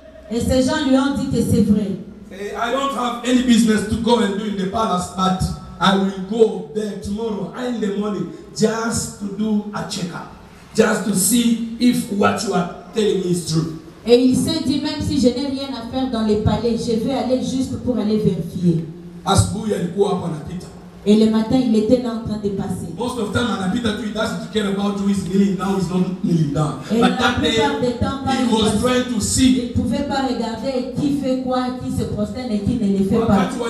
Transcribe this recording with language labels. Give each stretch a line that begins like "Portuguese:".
French: Et ces gens lui ont dit que c'est vrai.
English: I don't have any business to go and do in the palace, but I will go there tomorrow in the morning just to do a check-up, just to see if what you are telling me is true.
French: Et il s'est dit même si je n'ai rien à faire dans les palais, je vais aller juste pour aller vérifier.
Swahili: Asbuya ni kwa hapa na pita.
French: Et le matin, il était là en train de passer.
English: Most of the time, Anapita too, he doesn't care about who is kneeling down, he's not kneeling down.
French: Et
English: but that day,
French: temps,
English: he was trying to see.
French: Il pouvait pas regarder qui fait quoi, qui se prosterne et qui ne le fait pas.